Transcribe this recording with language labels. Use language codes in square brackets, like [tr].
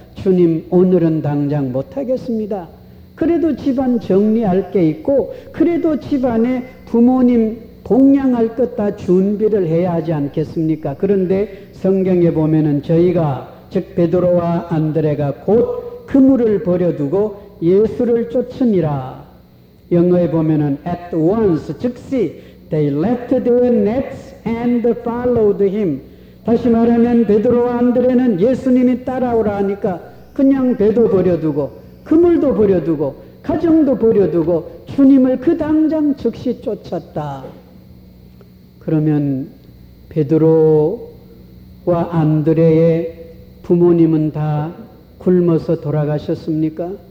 [ko] 주님 오늘은 당장 못하겠습니다. 그래도 집안 정리할 게 있고 그래도 집안에 부모님 공양할 것 다 준비를 해야 하지 않겠습니까? 그런데 성경에 보면은 저희가 즉 베드로와 안드레가 곧 그물을 버려두고 예수를 쫓으니라. 영어에 보면은 [en] at once [ko] 즉시 [en] they left their nets and followed him. [ko] 다시 말하면 베드로와 안드레는 예수님이 따라오라 하니까 그냥 배도 버려두고 그물도 버려두고 가정도 버려두고 주님을 그 당장 즉시 쫓았다. 그러면 베드로와 안드레의 부모님은 다 굶어서 돌아가셨습니까?